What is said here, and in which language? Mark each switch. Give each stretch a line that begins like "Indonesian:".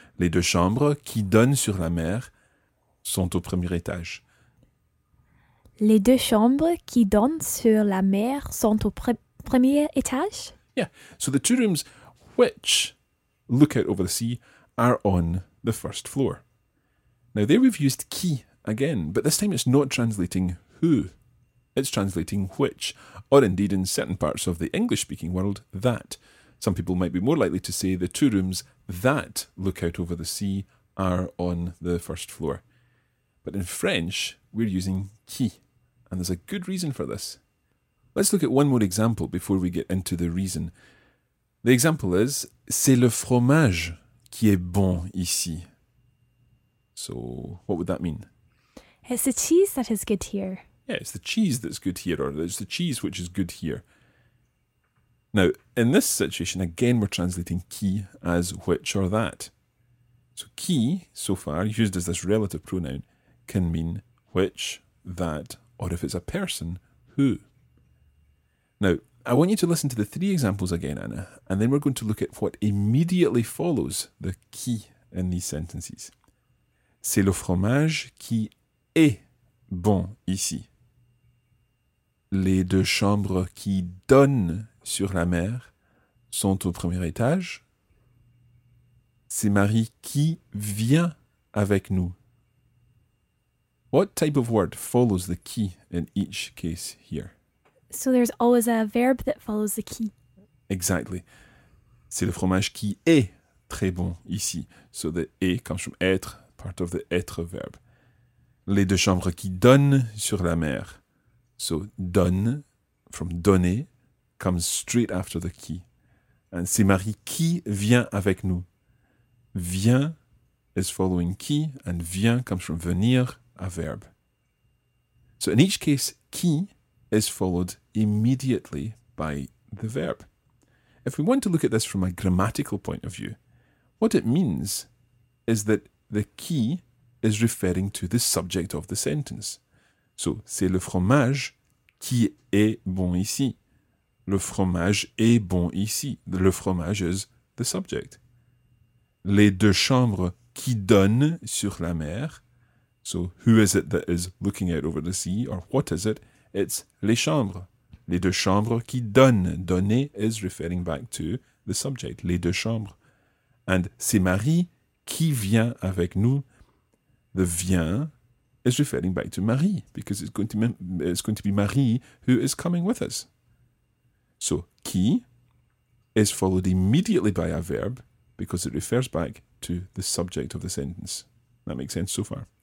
French: Les deux chambres qui donnent sur la mer sont au premier étage. Les deux chambres qui donnent sur la mer sont au premier étage?
English: Yeah, so the two rooms which look out over the sea are on the first floor. Now, there we've used qui. Again, but this time it's not translating who, it's translating which, or indeed in certain parts of the English-speaking world, that. Some people might be more likely to say the two rooms that look out over the sea are on the first floor. But in French, we're using qui, and there's a good reason for this. Let's look at one more example before we get into the reason. The example is,
French: c'est le fromage qui est bon ici.
English: So, what would that mean? It's the cheese that is good here. Yeah, it's the cheese that's good here, or it's the cheese which is good here. Now, in this situation, again, we're translating qui as which or that. So qui, so far, used as this relative pronoun, can mean which, that, or if it's a person, who. Now, I want you to listen to the three examples again, Anna, and then we're going to look at what immediately follows the qui in these sentences.
French: C'est le fromage qui est bon ici. Les deux chambres qui donnent sur la mer sont au premier étage. C'est Marie qui vient avec nous.
English: What type of word follows the qui in each case here? So there's always a verb that follows the qui. Exactly.
French: C'est le fromage qui est très bon ici.
English: So the est comes from être, part of the être verb.
French: Les deux chambres qui donnent sur la mer.
English: So, donne, from donner, comes straight after the qui.
French: And c'est Marie qui vient avec nous.
English: Vient is following qui, and vient comes from venir, a verb. So, in each case, qui is followed immediately by the verb. If we want to look at this from a grammatical point of view, what it means is that the qui is referring to the subject of the sentence.
French: So, c'est le fromage qui est bon ici. Le fromage est bon ici.
English: Le fromage is the subject.
French: Les deux chambres qui donnent sur la mer.
English: So, who is it that is looking out over the sea? Or what is it?
French: it's les chambres. Les deux chambres qui donnent.
English: Donner is referring back to the subject.
French: Les deux chambres. And c'est Marie qui vient avec nous.
English: The vient is referring back to Marie because it's going to be Marie who is coming with us. So qui is followed immediately by a verb because it refers back to the subject of the sentence. That makes sense so far?